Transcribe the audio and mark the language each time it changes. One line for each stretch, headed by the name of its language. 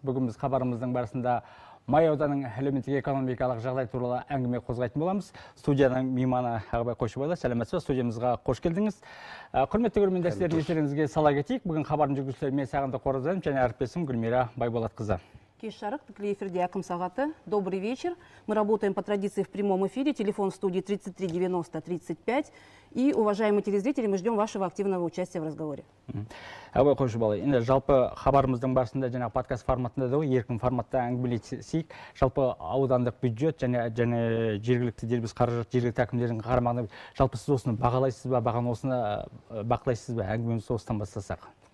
Kazakh: Бүгін біз хабарымыздың барысында Май ауданының әлеуметтік экономикалық жағдай туралы әңгіме қозғайтын боламыз. Студияның мейманы Ағыбай Қойшыбайұлы, сәлеметсіз бе, студиямызға қош келдіңіз. Құрметті көрермендер, сіздердің естеріңізге сала кетейік. Бүгін хабардың жүргізушілері мен Сағынды Қоразбаев және әріптесім Гүлмира Байболатқызы. Кеш жарық, тікелей эфирде Әкім сағаты.
Russian: Добрый вечер. Мы работаем по традиции в прямом эфире. Телефон в студии 33 90 35. И, уважаемые телезрители, мы ждем вашего активного участия в разговоре.
Kazakh: Әбай Қойшыбайұлы, енді жалпы хабарымыздың барысында жаңа подкаст форматында да еркін форматта әңгімелесейік. Жалпы аудандық бюджет және жергілікті дербес қаражат, жергілікті әкімдердің қарамағына, жалпы сіз осыны бағалайсыз ба, бағаны осыны бақылайсыз ба? Әңгімемізді осыдан бастасақ.